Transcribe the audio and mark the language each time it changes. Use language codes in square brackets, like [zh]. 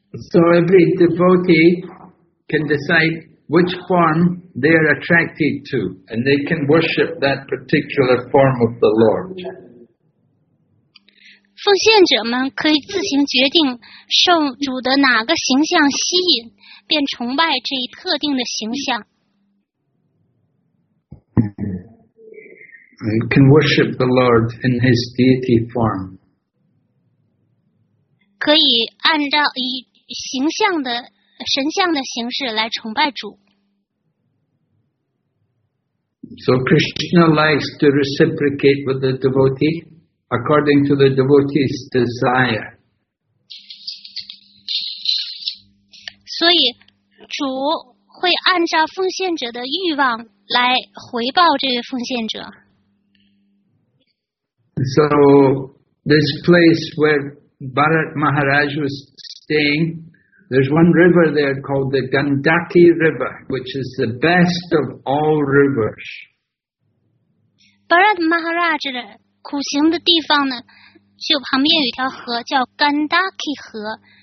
[en] So every devotee can decide which form they are attracted to, and they can worship that particular form of the Lord. [zh] 奉献者们可以自行决定受主的哪个形象吸引，便崇拜这一特定的形象。 [en] And can worship the Lord in his deity form. [zh] 可以按照以形象的神像的形式来崇拜主。 [en] So Krishna likes to reciprocate with the devotee according to the devotee's desire. [zh] 所以主会按照奉献者的欲望来回报这位奉献者。 [en] So this place where Bharat Maharaj was staying,There's one river there called the Gandaki River, which is the best of all rivers. [zh] Bharat Maharaj 的苦行的地方呢，就旁边有一条河叫 Gandaki 河。